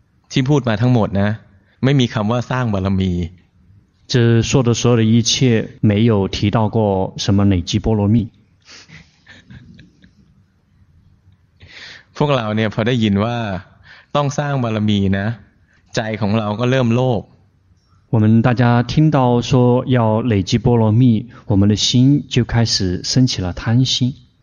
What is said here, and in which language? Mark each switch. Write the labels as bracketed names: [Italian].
[Thai] ที่พูดมาทั้งหมดนะไม่มีคำว่าสร้างบารมี [Chinese] 这说的所有的一切没有提到过什么累积波罗蜜 [Thai] พวกเราเนี่ยพอได้ยินว่าต้องสร้างบารมีนะใจของเราก็เริ่มโลภ [Chinese] 我们大家听到说要累积波罗蜜我们的心就开始升起了贪心